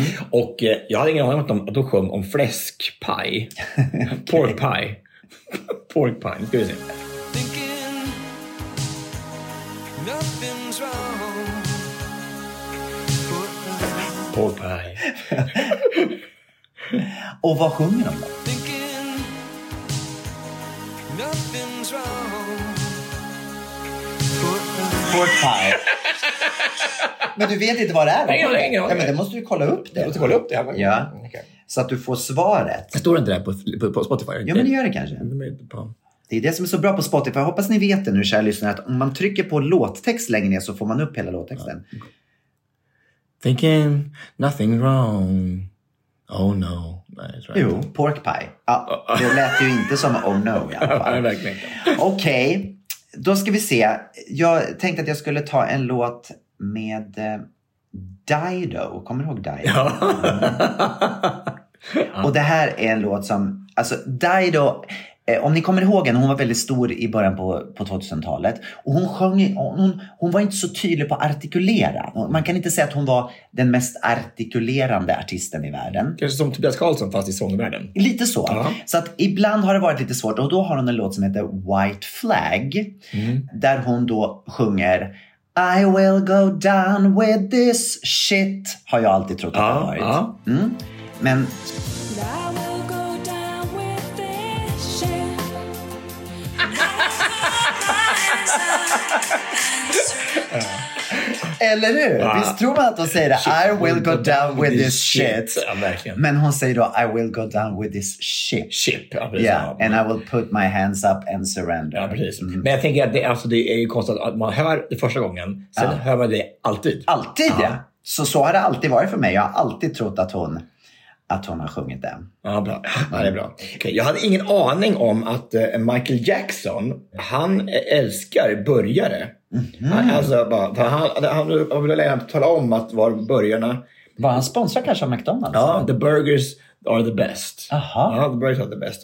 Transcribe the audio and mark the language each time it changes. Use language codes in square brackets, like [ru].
[sv] Och jag hade ingen aning om att de sjöng om fläskpaj. [en] Pork pie. [sv] Nu ska vi se. [en] Thinking nothing's wrong. Pork pie. [sv] Och vad sjunger de då? [en] Pork pie. [sv] Men du vet inte vad det är. Nej, men det måste du kolla upp det. Du måste kolla upp det. Ja. Okay. Så att du får svaret. Det står inte där på Spotify. Ja, men det gör det kanske. Det är det som är så bra på Spotify. Jag hoppas ni vet det nu, kära lyssnare, att om man trycker på låttext längre ner så får man upp hela låttexten. [en] Thinking nothing wrong. Oh no. Nej, [sv] jo, [en] pork pie. [sv] Ja, det lät ju inte som [en] oh no [sv] i alla fall. Okej. Då ska vi se. Jag tänkte att jag skulle ta en låt med Dido. Kommer du ihåg Dido? Ja. Och det här är en låt som, alltså Dido, om ni kommer ihåg henne, hon var väldigt stor i början på 2000-talet. Och hon sjöng, hon var inte så tydlig på att artikulera. Man kan inte säga att hon var den mest artikulerande artisten i världen. Kanske som Tobias Karlsson fast i sångvärlden. Lite så. Uh-huh. Så att ibland har det varit lite svårt. Och då har hon en låt som heter White Flag. Där hon då sjunger [en] I will go down with this shit. [sv] Har jag alltid trott att det har varit. Men ja. Eller hur? Ja. Visst tror man att hon säger det? [en] I will go down with this shit. [sv] Ja, men hon säger då, [en] I will go down with this ship. [sv] Ship, ja, precis. [en] Yeah. And I will put my hands up and surrender. [sv] Ja, precis. Mm. Men jag tänker att det, alltså, det är ju konstigt att man hör det första gången, sen ja. Hör man det alltid. Alltid, ja. Så har det alltid varit för mig. Jag har alltid trott att hon har sjungit den. Ja, bra. Ja, det är bra. Okay, jag hade ingen aning om att Michael Jackson, han älskar börjare. Mm. Alltså, bara, han ville lära tala om att var börjarna... Var han sponsrar kanske av McDonald's? Ja, eller? [en] The burgers are the best. [sv] Aha. [en] Ja, the burgers are the best.